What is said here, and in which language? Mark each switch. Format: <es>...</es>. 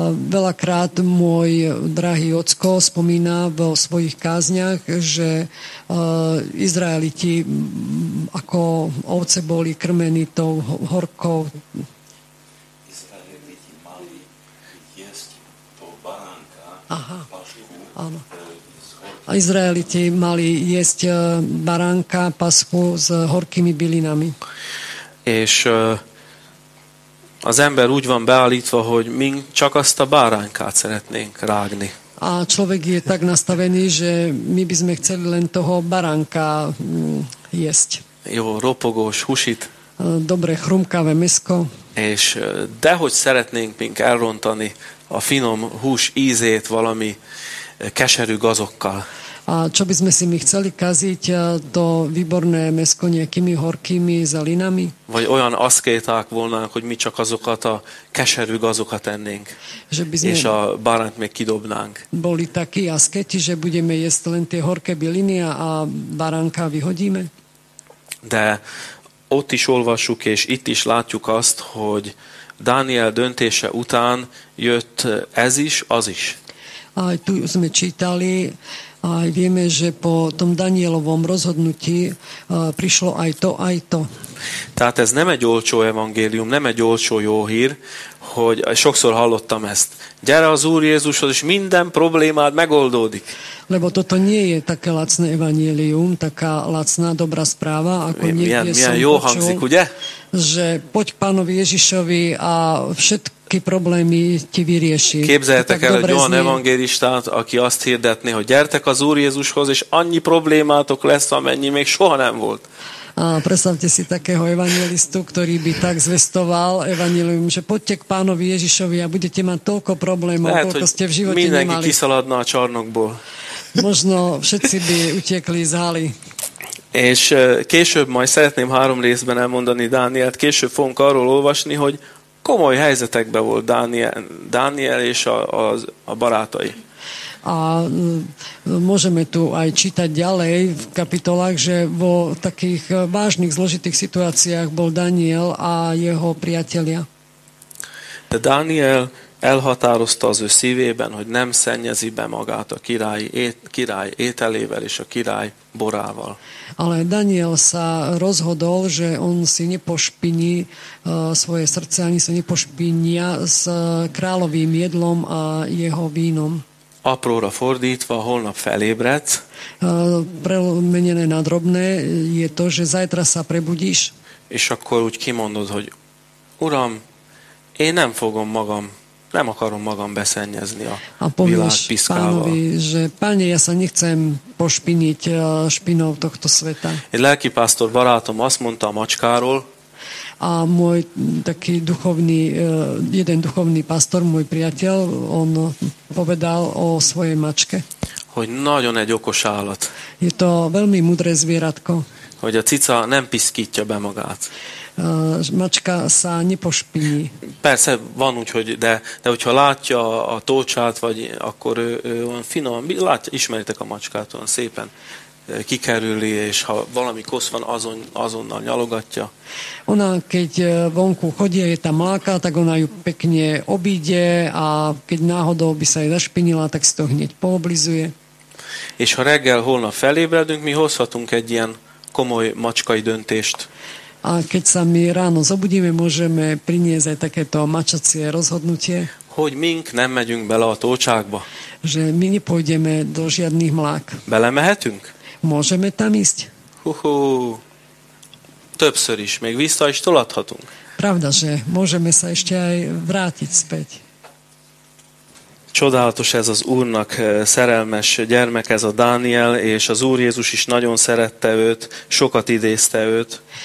<sk>Veľakrát môj drahý ocko spomína vo svojich kázniach, že Izraeliti ako ovce boli krmení tou horkou. Izraeliti mali jesť to baránka, pašku. Áno. A Izraeliti mali jesť baránka, pasku s horkými bylinami.</sk> <hu>Az ember úgy van beállítva, hogy mi csak azt a báránykát szeretnénk rágni.</hu> <sk>A človek je tak nastavený, že my by sme chceli len toho baránka jesť.</sk> <hu>Jó, ropogós húsit.</hu> <sk>Dobre, chrumkavé mesko.</sk> <hu>És dehogy szeretnénk mink elrontani a finom hús ízét valami keserű gazokkal.</hu> <sk>A čo by sme si my chceli kaziť, to výborné mesko nejakými horkými zelinami?</sk> <hu>Vagy olyan aszkéták volnánk, hogy mi csak azokat a keserű gazokat ennénk, és a báránt még kidobnánk.</hu> <sk>Boli takí asketi, že budeme jesť len tie horké byliny a baránka vyhodíme?</sk> <hu>De ott is olvasuk, és itt is látjuk azt, hogy Dániel döntése után jött ez is, az is.</hu> <sk>A tu sme čítali, A vieme, že po tom Danielovom rozhodnutí prišlo aj to, aj to.</sk> <hu>Tehát ez nem egy olcsó evangélium, nem egy olcsó jó hír, hogy sokszor hallottam ezt. Gyere az Úr Jézushoz, és minden problémád megoldódik.</hu> <sk>Lebo toto nie je také lacné evangélium, taká lacná dobrá správa, ako niekde som počul.</sk> <hu>Milyen jó hangzik, ugye?</hu> <sk>Že poď k pánovi Ježišovi a všetky problémy ti vyrieši.</sk> <hu>Képzeljetek el egy olyan evangélistát, aki azt hirdetné, hogy gyertek az Úr Jézushoz, és annyi problémátok lesz, amennyi még soha nem volt.</hu> <sk>A predstavte si takého evangelistu, ktorý by tak zvestoval evangelium, že poďte k pánovi Ježišovi a budete mať toľko problémov, koľko</sk> <hu>hogy</hu> <sk>ste v živote nemali.</sk> <hu>Mindenki kiszaladná a csarnokból.</hu> <sk>Možno všetci by utekli z haly.</sk> <hu>És később majd szeretném három részben elmondani Dánielt, később fogunk arról olvasni, hogy komoly helyzetekben volt Dániel és a barátai.</hu> <sk>A môžeme tu aj čítať ďalej v kapitolách, že vo takých vážnych, zložitých situáciách bol Daniel a jeho priatelia.</sk> <hu>De Daniel elhatározta az ő szívében, hogy nem szennyezi be magát a király ételével és a király borával.</hu> <sk>Ale Daniel sa rozhodol, že on si nepošpiní svoje srdce, ani sa nepošpinia s královým jedlom a jeho vínom.</sk> <hu>Apróra fordítva, holnap felébredsz.</hu> <sk>Premenené na drobné je to, že zajtra sa prebudíš.</sk> <hu>És akkor úgy kimondod, hogy Uram, én nem fogom magam, nem akarom magam beszennyezni a világ piszkával.</hu> <sk>A povieš</sk> <hu>piszkával.</hu> <sk>Pánovi, že páne, ja sa nechcem pošpiniť špinou tohto sveta.</sk> <hu>Egy lelki pásztor barátom azt mondta a macskáról.</hu> <sk>A môj taký duchovný, jeden duchovný pastor, môj priateľ, on povedal o svojej mačke.</sk> <hu>Hogy nagyon egy okos állat.</hu> <sk>Je to veľmi mudré zvieratko.</sk> <hu>Hogy a cica nem piszkítja be magát.</hu> <sk>Mačka sa nepošpiní.</sk> <hu>Persze, van úgy, hogy de hogyha látja a tócsát, vagy akkor ő finom, látja, ismeritek a macskát, olyan szépen kikerüli, és ha valami kosz van, azonnal nyalogatja.</hu> <sk>Ona, keď vonku chodí, je tam mláka, tak ona ju pekne obíde, a keď náhodou by sa jej zašpinila, tak si to hneď pooblizuje.</sk> <hu>És ha reggel holnap felébredünk, mi hozhatunk egy ilyen komoly mačkai döntést.</hu> <sk>A keď sa my ráno zobudíme, môžeme priniesť aj takéto mačacie rozhodnutie.</sk> <hu>Hogy mink nem megyünk bele a tócsákba.</hu> <sk>Že my nepôjdeme do žiadnych mlák.</sk> <hu>Belemehetünk?</hu> <sk>Môžeme tam ísť. Huhú.</sk> <hu>Többször is, még vissza is tolathatunk.</hu> <sk>Pravda, že môžeme sa ešte aj vrátiť späť.</sk> <hu>Csodálatos ez az Úrnak szerelmes gyermek, ez a Dániel, és az Úr Jézus is nagyon szerette őt, sokat idézte őt.</hu>